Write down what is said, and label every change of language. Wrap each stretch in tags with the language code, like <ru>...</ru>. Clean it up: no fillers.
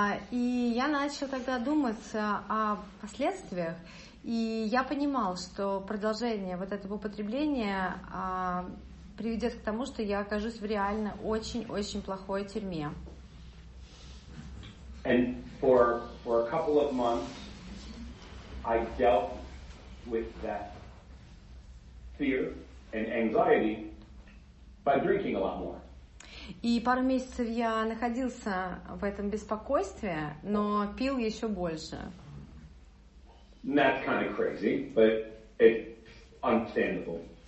<ru>И я начал тогда думать о последствиях, и я понимал, что продолжение вот этого употребления приведет к тому, что я окажусь в реально очень-очень плохой тюрьме.</ru> <en>And for a couple of months, I dealt with that fear and anxiety by drinking a lot more.</en> <ru>И пару месяцев я находился в этом беспокойстве, но пил еще больше.</ru> <en>And that's kind of crazy, but it's understandable.</en>